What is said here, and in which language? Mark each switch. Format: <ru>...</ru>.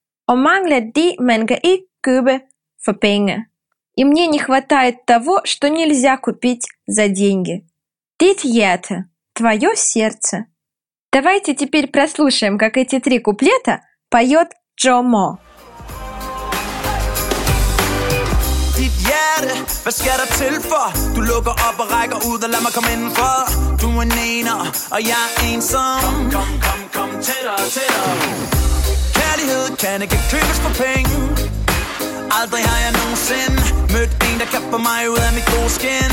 <da>Og mangler de, man kan ikke købe for penge.</da> <ru>И мне не хватает того, что нельзя купить за деньги.</ru> <da>Dit hjerte,</da> <ru>твое сердце. Давайте теперь прослушаем, как эти три куплета поет Джо Мо.</ru> <da>Dit hjerte, hvad skal der til for? Du lukker op og rækker ud og lad mig komme indenfor. Du er en ener, og jeg er ensom. Kom, kom, kom, kom tættere, tættere. Kærlighed kan ikke købes for penge. Aldrig har jeg nogensinde mødt en, der kapper mig ud af mit gode skin.</da>